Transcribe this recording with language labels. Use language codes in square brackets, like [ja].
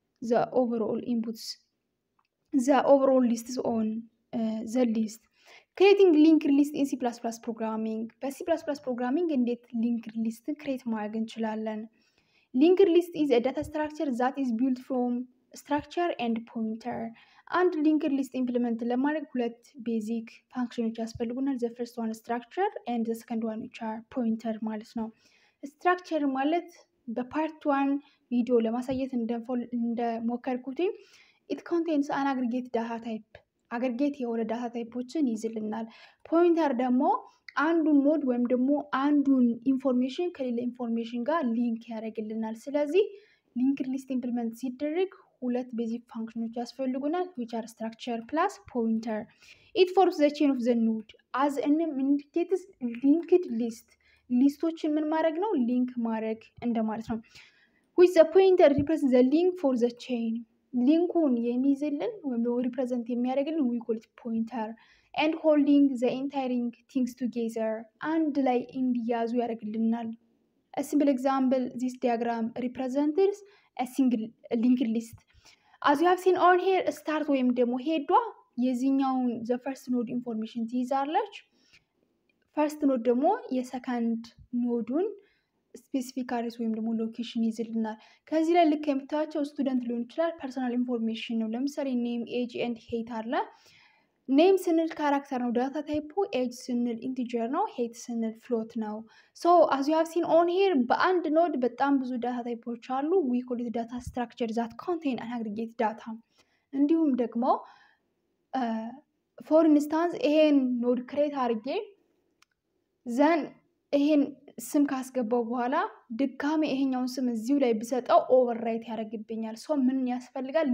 [en] ዘ ኦቨርኦል ኢንፑትስ ዘ ኦቨርኦል ሊስት ኦን ዘ ሊስት creating linked list in C++ programming [am] በC++ programming እንዴት linked list create ማድረግ እንችላለን [en] linked list is a data structure that is built from structure and pointer. [am] And linked list implement ለማድረግ ሁለት basic functions ያስፈልጉናል. [en] The first one is structure and the second one which are pointer [am] ማለት ነው. [en] Structure ማለት በpart 1 video [am] ለማሳየት እንደሞከርኩት [en] it contains an aggregate data type. [am] Aggregate የሆነ data typeዎችን ይዝልናል. Pointer ደግሞ አንዱን node ወይም ደግሞ አንዱን information ከሌላ information ጋር link ያደርግልናል. ስለዚህ linked list implement ሲደረግ ሁለት basic functions ያስፈልጉናል, [en] which are structure plus pointer. It forms the chain of the node. As in indicates linked list. [am] ሊስቶችን ምን ማድረግ ነው? Link ማድረግ እንደማለት ነው. [en] Which the pointer represents the link for the chain. [am] ሊንኩን የሚይዝልን ወይም represent የሚያደርግልን [en] we call it pointer. And holding the entire things together. [am] And ላይ እንዲያዙ ያደርግልናል. [en] A simple example, this diagram represents a single linked list. As you have seen on here, start [am] ወይም ደግሞ ሄዷ የዚህኛውን [en] the first node information [am] ትይዛለች. First node ደግሞ የsecond node-ን specific address ወይም ደግሞ location ይዝልናል. ከዚህ ላይ ልክ የምታያቸው student ሊሆን ይችላል, personal information ነው. ለምሳሌ name, age, and height አለ. Name ስንል character ነው, data type age ስንል integer ነው, height ስንል float ነው. [en] So as you have seen on here, [am] በአንድ node በጣም ብዙ data types አሉ. [en] We call it data structure that contain an aggregate data. [am] እንዲሁም ደግሞ [en] for instance, [am] ይሄን node create አድርጌ then ይሄን ስም ካስገባው በኋላ ድካሜ ይሄኛውን ስም እዚው ላይ ብሰጠው ኦቨርራይት ያደርግብኛል. ሶ ምን ያስፈልጋል?